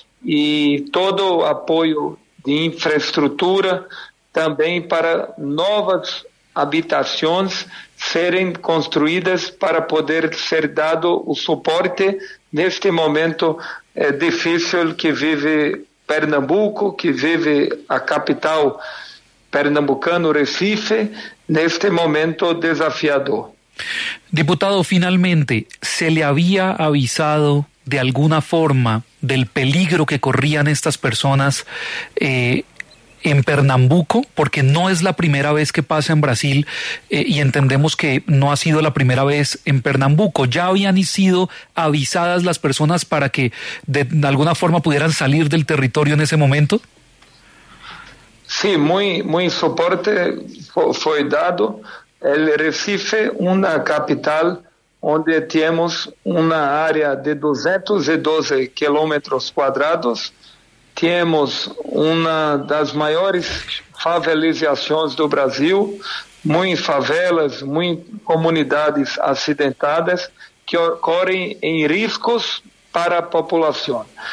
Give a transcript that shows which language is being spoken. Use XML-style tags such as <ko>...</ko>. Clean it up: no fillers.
<pt>E todo o apoio de infraestrutura também para novas habitações serem construídas para poder ser dado o suporte neste momento difícil que vive Pernambuco, que vive a capital pernambucana, Recife, neste momento desafiador.</pt> <es>Diputado, finalmente, ¿se le había avisado de alguna forma del peligro que corrían estas personas en Pernambuco? Porque no es la primera vez que pasa en Brasil, y entendemos que no ha sido la primera vez en Pernambuco. ¿Ya habían sido avisadas las personas para que de alguna forma pudieran salir del territorio en ese momento? Sí, muy, muy soporte fue dado. El Recife, una capital donde tenemos una área de 212 kilómetros cuadrados,</es> <pt>temos uma das maiores favelizações do Brasil, muitas favelas, muitas comunidades acidentadas que ocorrem em riscos para a população.</pt>